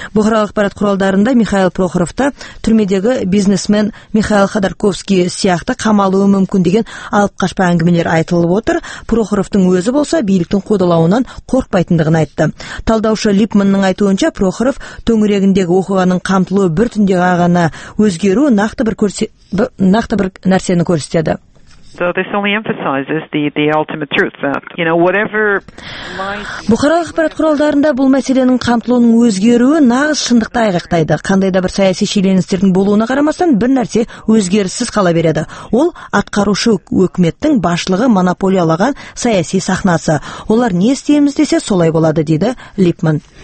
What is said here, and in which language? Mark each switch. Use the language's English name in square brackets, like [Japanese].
[Kazakh] Бұқаралық ақпарат құралдарында Михаил Прохоровты түрмедегі бизнесмен Михаил Ходорковский сияқты қамалуы мүмкін деген алып қашпа әңгімелер айтылып отыр. Прохоровтың өзі болса биліктің қудалауынан қорқпайтындығын айтты. Талдаушы Липманның айтуынша, Прохоров төңірегіндегі оқиғаның қамтылуы бір түнде ғана өзгеру нақты бір нәрсені көрсетеді. [English] So this only emphasizes the ultimate truth that, you know, whatever [Kazakh] бұқаралық ақпарат құралдарында бұл мәселенің қамтылуының өзгеруі нағыз шындықты айғақтайды. Қандай да бір саяси шиеленістердің болуына қарамастан, бір нәрсе өзгеріссіз қала береді. Ол атқарушы өкіметтің басшылығы монополиялаған саяси сахнасы. Олар не істейміз десе, солай болады, дейді Липман.